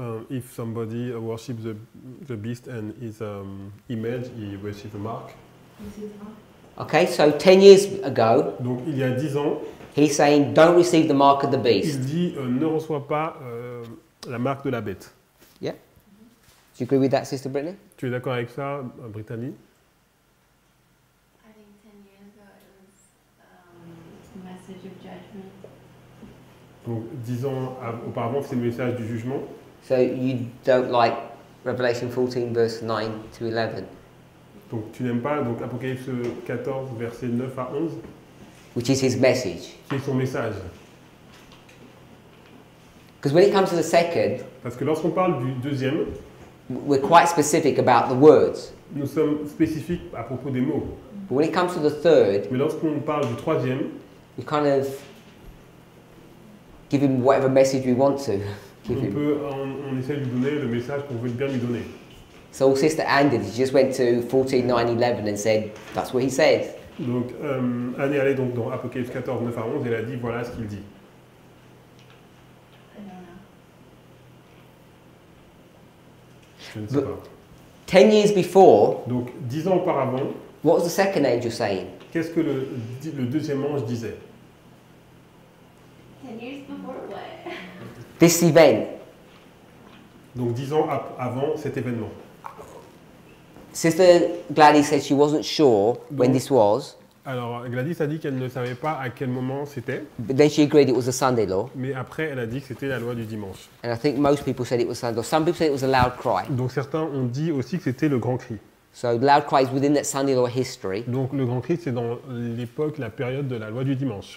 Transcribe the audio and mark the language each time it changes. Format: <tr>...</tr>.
<en>If somebody worships the beast and his image, he receives a mark. Okay, so 10 years ago,</en> <fr>donc il y a 10 ans,</fr> <en>he's saying, don't receive the mark of the beast.</en> <fr>Il dit, ne reçois pas la marque de la bête.</fr> <en>Yeah. Mm-hmm. Do you agree with that, Sister Brittany?</en> <fr>Tu es d'accord avec ça, Brittany?</fr> <en>I think 10 years ago, it was the message of judgment.</en> <fr>Donc 10 ans auparavant, c'est le message du jugement.</fr> <en>So you don't like Revelation 14 verse 9 to 11.</en> <fr>Donc tu n'aimes pas donc Apocalypse 14 verset 9 à 11.</fr> <en>Which is his message.</en> <fr>Qui est son message.</fr> <en>Because when it comes to the second.</en> <fr>Parce que lorsqu'on parle du deuxième.</fr> <en>We're quite specific about the words.</en> <fr>Nous sommes spécifiques à propos des mots.</fr> <en>But when it comes to the third.</en> <fr>Mais lorsqu'on parle du troisième.</fr> <en>We kind of give him whatever message we want to.</en> <fr>On essaie de lui donner le message qu'on veut bien lui donner.</fr> <en>So all Sister Anne did, she just went to 14:9-11 and said, that's what he says.</en> <fr>Donc Anne est allée donc dans Apocalypse 14, 9 à 11 et elle a dit, voilà ce qu'il dit. Je ne sais pas.</fr> <en>10 years before.</en> <fr>Donc 10 ans auparavant.</fr> <en>What was the second angel saying?</en> <fr>Qu'est-ce que le deuxième ange disait?</fr> <en>10 years before what? This event.</en> <fr>Donc 10 ans avant cet événement.</fr> <en>Sister Gladys said she wasn't sure when this was.</en> <fr>Alors Gladys a dit qu'elle ne savait pas à quel moment c'était.</fr> <en>But then she agreed it was a Sunday law.</en> <fr>Mais après elle a dit que c'était la loi du dimanche.</fr> <en>And I think most people said it was Sunday law. Some people said it was a loud cry.</en> <fr>Donc certains ont dit aussi que c'était le grand cri.</fr> <en>So loud cry is within that Sunday law history.</en> <fr>Donc le grand cri c'est dans l'époque, la période de la loi du dimanche.</fr>